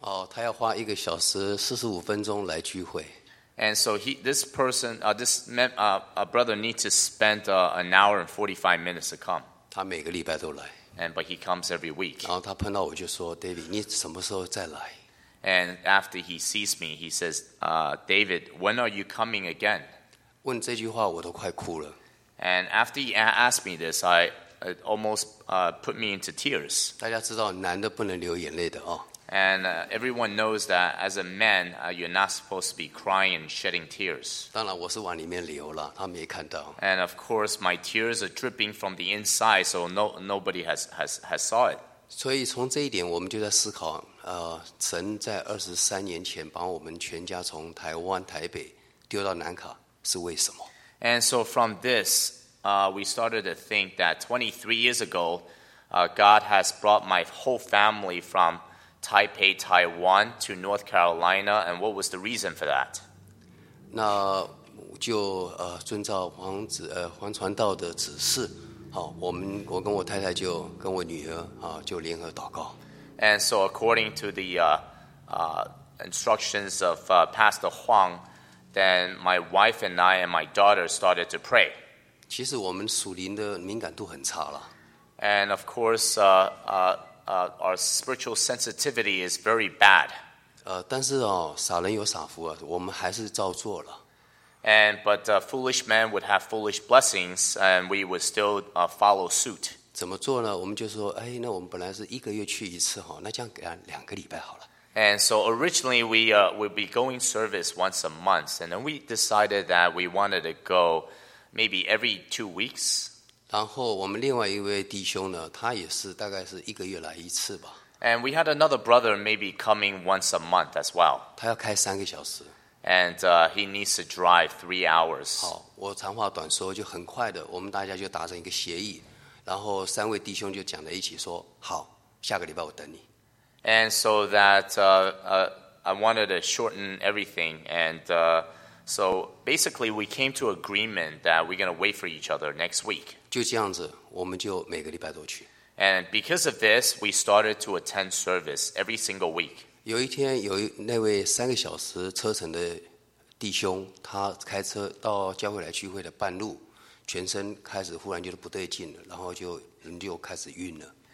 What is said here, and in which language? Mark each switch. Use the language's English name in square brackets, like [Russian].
[Chinese] 他要花一个小时四十五分钟来聚会。 [English] And so a brother needs to spend an hour and 45 minutes to come. [Chinese] 他每个礼拜都来。 [English] But he comes every week. [Chinese] 然后他碰到我就说 ，David， 你什么时候再来？ [English] And after he sees me, he says, David, when are you coming again? [Chinese] 问这句话我都快哭了。 [English] And after he asked me this, it almost put me into tears. [Chinese] 大家知道男的不能流眼泪的哦。 [English] And everyone knows that as a man, you're not supposed to be crying and shedding tears. [Chinese] 当然我是往里面流了，他们也看到。 [English] And of course, my tears are dripping from the inside, so nobody has saw it. [Chinese] 所以从这一点我们就在思考神在23年前把我们全家从台湾台北丢到南卡是为什么。 [English] And so from this, we started to think that 23 years ago, God has brought my whole family from Taipei, Taiwan to North Carolina, and what was the reason for that? [Chinese] 那就遵照黄传道的指示，我跟我太太就跟我女儿就联合祷告。 [English] And so according to the instructions of Pastor Huang, then my wife and I and my daughter started to pray. [Chinese] 其实我们属灵的敏感度很差了。 [English] And of course, our spiritual sensitivity is very bad. [Chinese] 但是傻人有傻福啊，我们还是照做了。 [English] But a foolish man would have foolish blessings, and we would still follow suit. [Chinese] 怎么做呢？我们就说，哎，那我们本来是一个月去一次哈，那这样改两个礼拜好了。 [English] And so originally we would be going service once a month, and then we decided that we wanted to go maybe every 2 weeks. [Chinese] 然后我们另外一位弟兄呢，他也是大概是一个月来一次吧。 [English] And we had another brother maybe coming once a month as well. [Chinese] 他要开三个小时。 [English] And he needs to drive 3 hours. [Chinese] 好，我长话短说，就很快的，我们大家就达成一个协议。然后三位弟兄就讲在一起说，好，下个礼拜我等你。 [English] And so that I wanted to shorten everything. And so basically we came to agreement that we're going to wait for each other next week. [Chinese] 就这样子，我们就每个礼拜都去。 [English] And because of this, we started to attend service every single week. [Chinese] 有一天有那位三个小时车程的弟兄，他开车到教会来聚会的半路，全身开始忽然就不对劲了，然后就人就开始晕了。